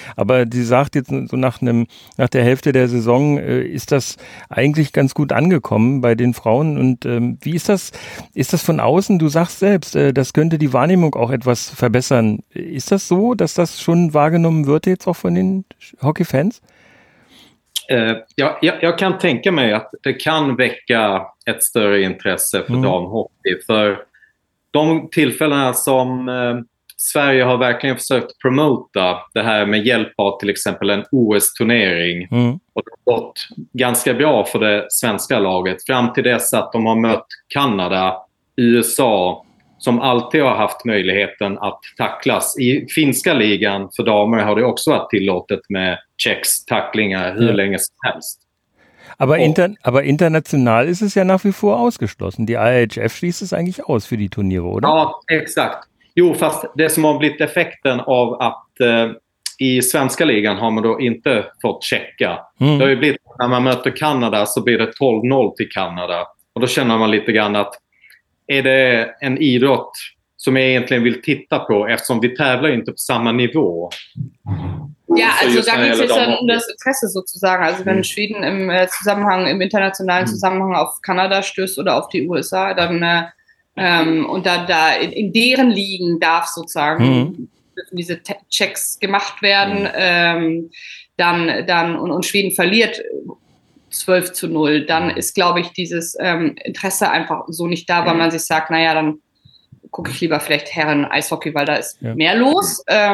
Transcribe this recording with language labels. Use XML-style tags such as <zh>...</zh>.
<de>Aber sie sagt jetzt so nach der Hälfte der Saison ist das eigentlich ganz gut angekommen bei den Frauen. Und wie ist das? Ist das von außen? Du sagst selbst, das könnte die Wahrnehmung auch etwas verbessern. Ist das so, dass das schon wahrgenommen wird jetzt auch von den Hockeyfans?</de> <sv>Jag kan tänka mig att det kan väcka ett större intresse för damhockey. För de tillfällena som Sverige har verkligen försökt promota det här med hjälp av till exempel en OS-turnering. Och det har gått ganska bra för det svenska laget. Fram till dess att de har mött Kanada, USA, som alltid har haft möjligheten att tacklas. I finska ligan för damer har det också varit tillåtet med checks, tacklingar, hur länge som helst.</sv> <de>Aber international ist es ja nach wie vor ausgeschlossen. Die IHF schließt es eigentlich aus für die Turniere, oder?</de> <sv>Ja, exakt. Jo, fast det som har blivit effekten av att i svenska ligan har man då inte fått checka. Mm. Det har ju blivit när man möter Kanada så blir det 12-0 till Kanada. Och då känner man lite grann att är det en idrott som jag egentligen vill titta på eftersom vi tävlar inte på samma nivå.</sv> <de>Ja, also da geht es ja um das Interesse sozusagen. Also wenn Schweden im Zusammenhang, im internationalen Zusammenhang auf Kanada stößt oder auf die USA, dann und da in deren Ligen darf sozusagen diese Checks gemacht werden, dann und Schweden verliert 12-0, dann ist, glaube ich, dieses Interesse einfach so nicht da, weil man sich sagt, naja, dann gucke ich lieber vielleicht Herren Eishockey, weil da ist mehr los.</de>